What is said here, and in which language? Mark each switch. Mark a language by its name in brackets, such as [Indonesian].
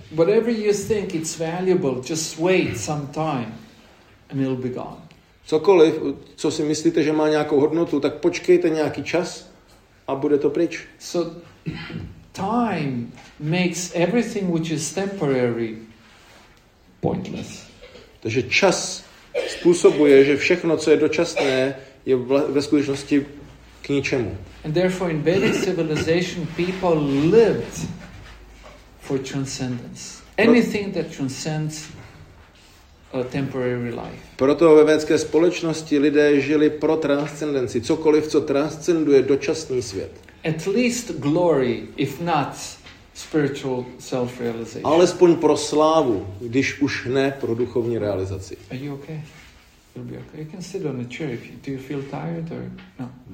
[English] Whatever you think it's valuable, just wait some time and it'll be gone. [Czech] Cokoliv, co si myslíte, že má nějakou hodnotu, tak počkejte nějaký čas a bude to pryč. [English] So time makes everything which is temporary pointless. [Czech] Takže čas způsobuje, že všechno, co je dočasné, je ve skutečnosti k ničemu. [English] And therefore in Vedic civilization people lived for transcendence. Anything that transcends a temporary life. [Czech] Proto ve védské společnosti lidé žili pro transcendenci, cokoliv, co transcenduje dočasný svět. [English] At least glory, if not spiritual self-realization. [Czech] Alespoň pro slávu, když už ne pro duchovní realizaci. [English] Are you okay? You'll be okay. You can sit on the chair if you, do you feel tired or no?